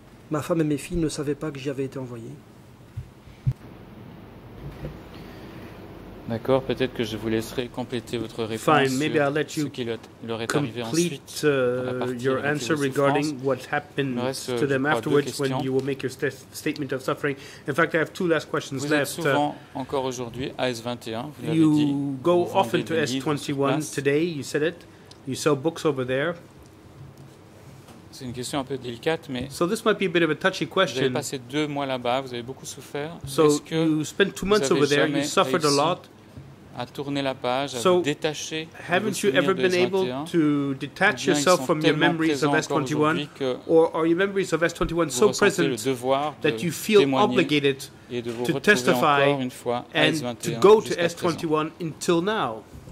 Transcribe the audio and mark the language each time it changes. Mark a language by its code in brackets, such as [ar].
[fr] Ma femme et mes filles ne savaient pas que j'y avais été envoyé. D'accord, peut-être que je vous laisserai compléter votre réponse. [en] Fine, maybe I'll let you complete your answer regarding what happened to them afterwards when you will make your statement of suffering. In fact, I have two last questions left. [fr] Vous êtes souvent encore aujourd'hui à S21, vous l'avez dit. You [en] go often to S21 today, you said it. You sell books over there. [fr] C'est une question un peu délicate, mais [en] so this might be a bit of a touchy question. [fr] Vous avez passé 2 mois là-bas, vous avez beaucoup souffert. [en] So you spent 2 months over there, you suffered a lot. [fr] À tourner la page, à détacher. [en] So haven't you ever been able to detach yourself from your memories of S21, or are your memories of S21 so present that you feel obligated to testify and to go to S21 until now?